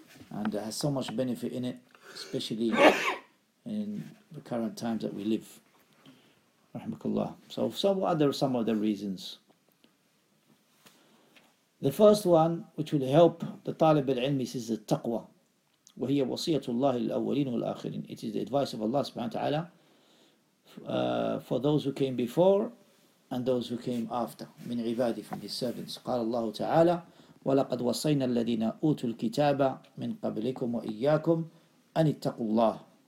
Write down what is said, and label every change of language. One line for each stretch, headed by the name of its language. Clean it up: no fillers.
English: And it has so much benefit in it, especially in the current times that we live. Rahmakullah. So what are some of the reasons? The first one, which will help the Talib al-Ilm, is the taqwa.
Arabic: وهي وصية الله للأولين والآخرين.
English: It is the advice of Allah subhanahu wa ta'ala for those who came before and those who came after.
Arabic: من عباده,
English: from his servants.
Arabic: قال الله تعالى وَلَقَدْ وَصَيْنَا الَّذِينَ أُوتُوا الْكِتَابَ مِنْ قَبْلِكُمْ وَإِيَّاكُمْ أَنِ اتَّقُوا اللَّهِ.